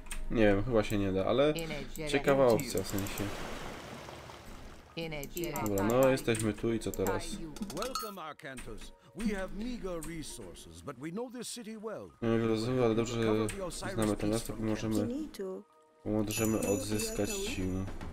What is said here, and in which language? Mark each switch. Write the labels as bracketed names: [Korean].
[Polish] Nie wiem, chyba się nie da, ale ciekawa opcja w sensie. Dobra, no jesteśmy tu i co teraz? [English] Welcome, Arcanthus. We have meager resources, but we know this city well. [Polish] Ale dobrze znamy ten miasto, możemy odzyskać siłę.